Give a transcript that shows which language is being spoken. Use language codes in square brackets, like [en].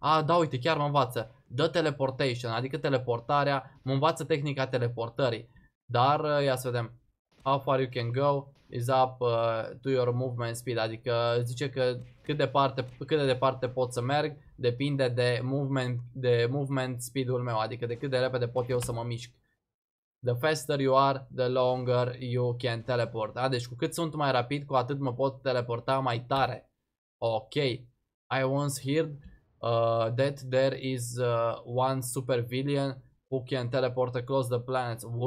[ro] Da, uite, chiar mă învață. [en] The teleportation, [ro] adică teleportarea, mă învață tehnica teleportării. Dar, ia să vedem. [en] How far you can go is up to your movement speed, [ro] adică zice că cât de departe pot să merg, depinde de movement speed-ul meu, adică de cât de repede pot eu să mă mișc. [en] The faster you are, the longer you can teleport. [ro] Deci cu cât sunt mai rapid, cu atât mă pot teleporta mai tare. Ok. [en] I once heard that there is one super villain who can teleport across the planets.